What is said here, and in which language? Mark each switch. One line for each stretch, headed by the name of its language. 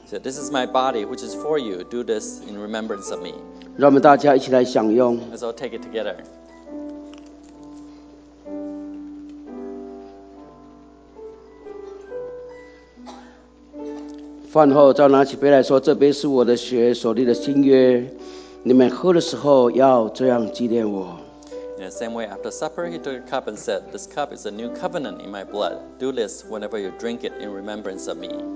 English: so, This is my body which is for you Do this in remembrance of me
Chinese: 让我们大家一起来享用
English: Let's all take it together
Chinese: 饭后再拿起杯来说这杯是我的血所立的新约你们喝的时候要这样纪念我
English: In the same way, after supper, he took a cup and said, This cup is a new covenant in my blood. Do this whenever you drink it in remembrance of me.